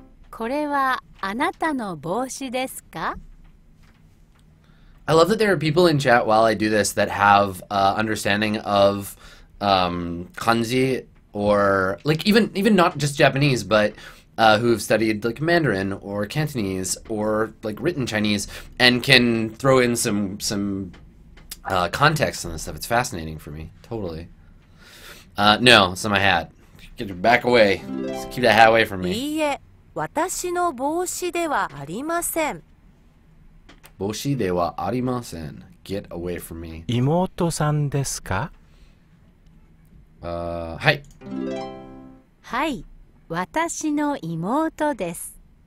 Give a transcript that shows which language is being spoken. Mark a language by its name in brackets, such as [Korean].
[Japanese] これはあなたの帽子ですか？ [English] I love that there are people in chat while I do this that have understanding of kanji or like even not just Japanese but who have studied like Mandarin or Cantonese or like written Chinese and can throw in some context on this stuff. It's fascinating for me. Totally. No, it's not my hat. Get back away. Just keep that hat away from me. [Japanese] いいえ、私の帽子ではありません。帽子ではありません。 [English] Get away from me. [Japanese] 妹さんですか？はい。はい、私の妹です。